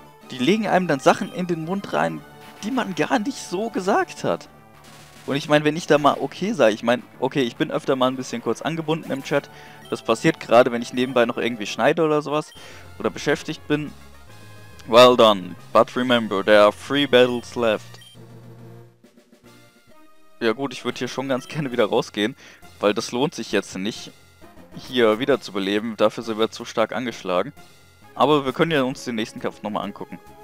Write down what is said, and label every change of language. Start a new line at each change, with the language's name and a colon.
German: Die legen einem dann Sachen in den Mund rein, die man gar nicht so gesagt hat. Und ich meine, wenn ich da mal okay sage, ich meine, okay, ich bin öfter mal ein bisschen kurz angebunden im Chat. Das passiert gerade, wenn ich nebenbei noch irgendwie schneide oder sowas oder beschäftigt bin.
English: Well done, but remember, there are 3 battles left.
German: Ja gut, ich würde hier schon ganz gerne wieder rausgehen, weil das lohnt sich jetzt nicht, hier wieder zu beleben. Dafür sind wir zu stark angeschlagen. Aber wir können ja uns den nächsten Kampf nochmal angucken.